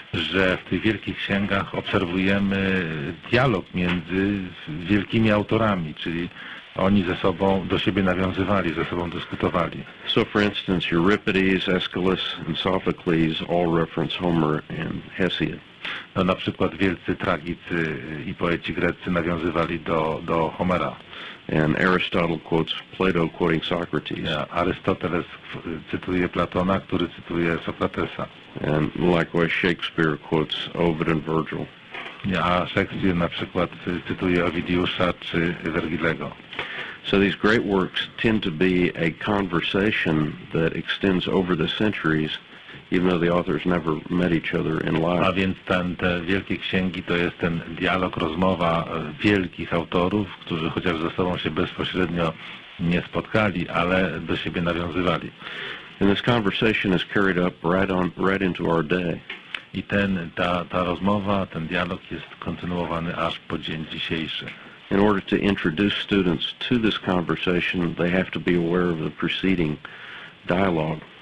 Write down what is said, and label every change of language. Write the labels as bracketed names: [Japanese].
[Polish] Że w tych wielkich księgach obserwujemy dialog między wielkimi autorami, czyli oni ze sobą do siebie nawiązywali, ze sobą dyskutowali. [English] So for instance, Euripides, Aeschylus and Sophocles all reference Homer and Hesiod. [Polish] No, na przykład wielcy tragicy i poeci greccy nawiązywali do Homera. [English] And Aristotle quotes Plato quoting Socrates. [Polish] Yeah, Aristoteles cytuje Platona, który cytuje Sokratesa. [English] And likewise Shakespeare quotes Ovid and Virgil. [Polish] A Shakespeare na przykład cytuje Ovidiusza czy Wergilego. [English] So these great works tend to be a conversation that extends over the centuries, even though the authors never met each other in life. [Polish] A więc te wielkie księgi to jest ten dialog, rozmowa wielkich autorów, którzy chociaż ze sobą się bezpośrednio nie spotkali, ale do siebie nawiązywali. [English] And this conversation is carried up right into our day. [Polish] I ta rozmowa, ten dialog jest kontynuowany aż po dzień dzisiejszy. [English] In order to introduce students to this conversation, they have to be aware of the preceding dialogue.